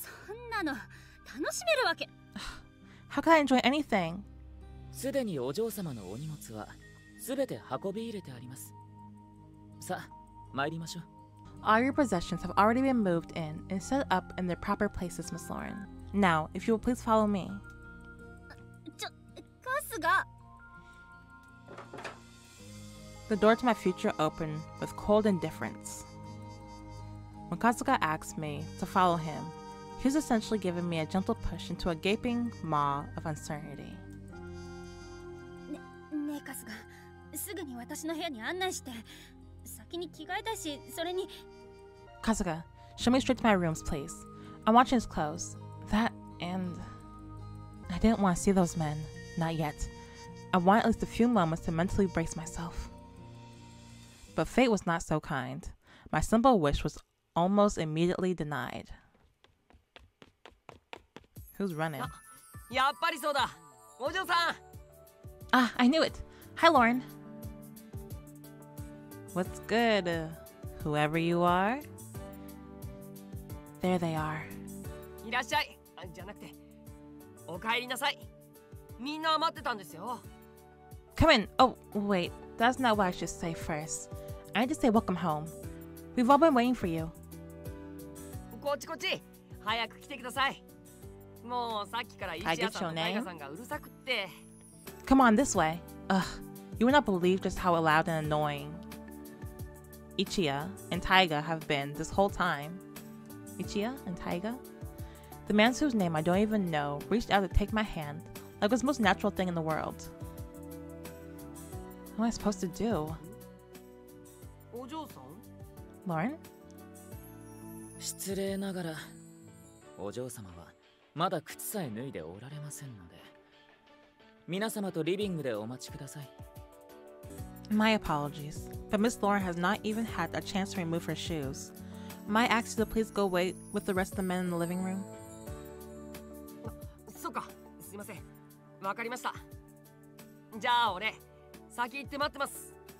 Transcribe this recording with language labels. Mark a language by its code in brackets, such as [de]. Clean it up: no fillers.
[ja] そんなの楽しめるわけ。 [en] How can I enjoy anything? [ja] すでにお嬢様のお荷物は全て運び入れてあります。さあ、参りましょう。 [en] All your possessions have already been moved in and set up in their proper places, Miss Lauren. Now, if you will please follow me. Kasuga! The door to my future opened with cold indifference. When Kasuga asked me to follow him, he was essentially giving me a gentle push into a gaping maw of uncertainty. [ja] Kasuga, すぐに私の部屋に案内して。先に着替えたし、それに… [en] Kasuga, show me straight to my rooms, please. I'm watching his clothes. That and… I didn't want to see those men. Not yet. I wanted at least a few moments to mentally brace myself. But fate was not so kind. My simple wish was almost immediately denied. Who's running? [ja] やっぱりそうだ。お嬢さん。 [en] Ah, I knew it. Hi, Lauren. What's good, whoever you are? There they are. [ja] いらっしゃい。じゃなくて、お帰りなさい。みんな待ってたんですよ。 [en] Come in. Oh, wait. That's not what I should say first. I need to say welcome home. We've all been waiting for you. [ja] こっちこっち。早く来てください。もうさっきから石屋さんとタイガさんがうるさくって。 [en] Come on, this way. Ugh, you would not believe just how loud and annoying. Ichiya and Taiga have been this whole time. Ichiya and Taiga? The man whose name I don't even know reached out to take my hand like it was the most natural thing in the world. What am I supposed to do? [ja] お嬢さん? [en] Lauren? [ja] 失礼ながら、お嬢様はまだ靴さえ脱いでおられませんので、皆様とリビングでお待ちください。 [en] My apologies, but Miss Lauren has not even had a chance to remove her shoes. May I ask you to please go wait with the rest of the men in the living room? [ja] そうか、すいません。わかりました。じゃあ俺、先行って待ってます。